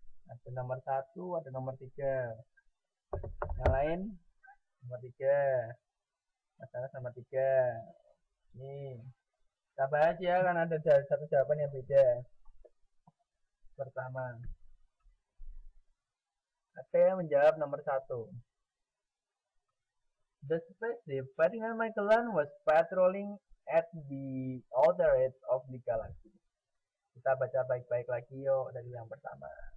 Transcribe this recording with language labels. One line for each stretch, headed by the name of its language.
Indonesian: Ada nomor satu, ada nomor tiga. Yang lain? Nomor tiga. Masalah nomor tiga. Nih. Kita bahas ya, karena ada satu jawaban yang beda. Pertama. Ada yang menjawab nomor satu.
English: The spaceship Ferdinand Magellan was patrolling at the outer edge of the galaxy.
Indonesian: Kita baca baik-baik lagi yuk dari yang pertama.